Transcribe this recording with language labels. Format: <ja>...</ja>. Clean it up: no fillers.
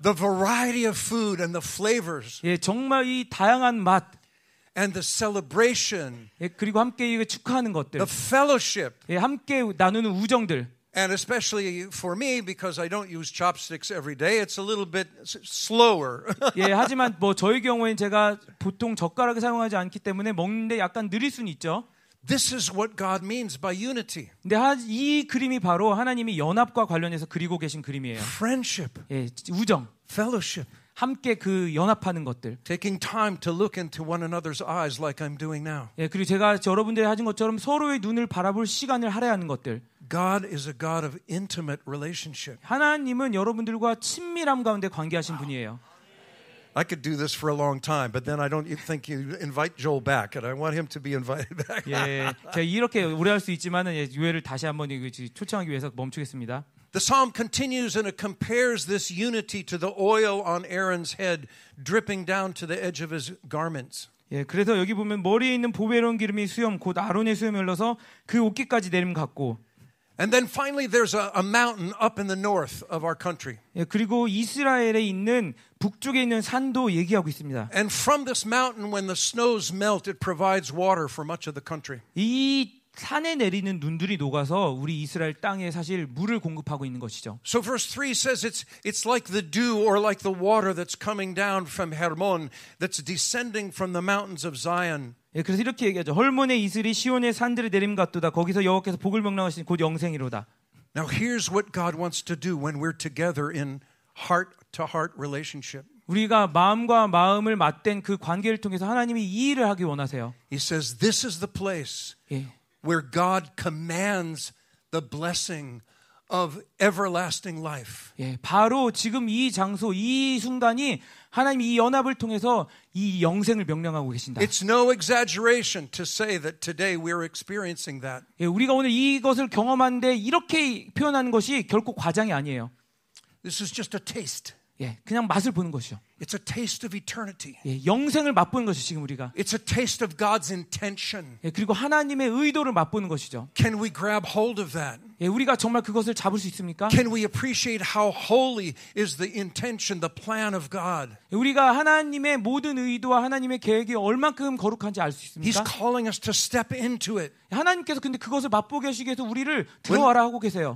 <en>The variety of food and the flavors.</en> <ko>예, 정말 이 다양한 맛.</ko> <en>And the celebration.</en> <ko>예, 그리고 함께 이 축하하는 것들.</ko> <en>The fellowship.</en> <ko>예, 함께 나누는 우정들.</ko> <en>And especially for me, because I don't use chopsticks every day, it's a little bit slower.</en> <ko>예, 하지만 뭐 저희 경우에는 제가 보통 젓가락을 사용하지 않기 때문에 먹는데 약간 느릴 수는 있죠.</ko> <en>This is what God means by unity.</en> <ko>근데 이 그림이 바로 하나님이 연합과 관련해서 그리고 계신 그림이에요.</ko> <en>Friendship.</en> <ko>예, 우정.</ko> <en>Fellowship.</en> <ko>함께 그 연합하는 것들.</ko> <en>Taking time to look into one another's eyes like I'm doing now.</en> <ko>예, 그리고 제가 여러분들이 하신 것처럼 서로의 눈을 바라볼 시간을 할애하는 것들.</ko> <en>God is a God of intimate relationship.</en> <ko>하나님은 여러분들과 친밀함 가운데 관계하신 분이에요.</ko> <en>I could do this for a long time, but then I don't think you invite Joel back, and I want him to be invited back.</en> <ko>예, 제가 이렇게 오래 할 수 있지만은 유해를 다시 한번 초청하기 위해서 멈추겠습니다.</ko> <en>The psalm continues and it compares this unity to the oil on Aaron's head dripping down to the edge of his garments.</en> <ko>예, 그래서 여기 보면 머리에 있는 보배로운 기름이 수염 곧 아론의 수염에 흘러서 그 옷깃까지 내림 같고.</ko> <en>And then finally there's a mountain up in the north of our country.</en> <ko>예, 그리고 이스라엘에 있는 북쪽에 있는 산도 얘기하고 있습니다.</ko> <en>And from this mountain when the snows melt it provides water for much of the country.</en> <ko>이 산에 내리는 눈들이 녹아서 우리 이스라엘 땅에 사실 물을 공급하고 있는 것이죠.</ko> <en>So verse 3 says it's like the dew or like the water that's coming down from Hermon that's descending from the mountains of Zion.</en> <ko>예, 그래서 이렇게 얘기하죠. 헐몬의 이슬이 시온의 산들의 내림 같도다. 거기서 여호와께서 복을 명령하신 곧 영생이로다.</ko> <en>Now here's what God wants to do when we're together in heart to heart relationship.</en> <ko>우리가 마음과 마음을 맞댄 그 관계를 통해서 하나님이 이 일을 하기 원하세요.</ko> <en>He says this is the place. 예. Where God commands the blessing of everlasting life.</en> <ko>예, 바로 지금 이 장소, 이 순간이 하나님 이 연합을 통해서 이 영생을 명령하고 계신다.</ko> <en>It's no exaggeration to say that today we are experiencing that.</en> <ko>예, 우리가 오늘 이것을 경험한데 이렇게 표현하는 것이 결코 과장이 아니에요.</ko> <en>This is just a taste.</en> <ko>예, 그냥 맛을 보는 것이요.</ko> <en>It's a taste of eternity.</en> <ko>예, 영생을 맛보는 것이 지금 우리가.</ko> <en>It's a taste of God's intention.</en> <ko>예, 그리고 하나님의 의도를 맛보는 것이죠.</ko> <en>Can we grab hold of that?</en> <ko>예, 우리가 정말 그것을 잡을 수 있습니까?</ko> <en>Can we appreciate how holy is the intention, the plan of God?</en> <ko>예, 우리가 하나님의 모든 의도와 하나님의 계획이 얼만큼 거룩한지 알 수 있습니까?</ko> <en>He's calling us to step into it.</en> <ko>하나님께서 근데 그것을 맛보게 하시기 위해서 우리를 들어와라 하고 계세요.</ko>